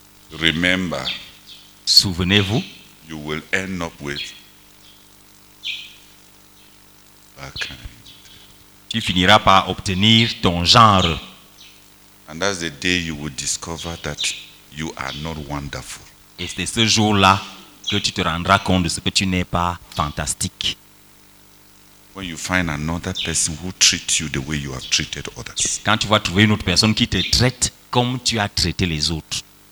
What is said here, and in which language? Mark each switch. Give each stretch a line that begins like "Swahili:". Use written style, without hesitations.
English: Remember.
French: Souvenez-vous.
English: You will end up with a kind.
French: Tu finiras par obtenir ton genre.
English: And that's the day you will discover that you are not wonderful.
French: Et c'est ce jour-là que tu te rendras compte de ce que tu n'es pas fantastique.
English: When you find another person who treats you the way you have treated others.
French: Quand tu vas trouver une autre personne qui te traite comme tu as traité les autres.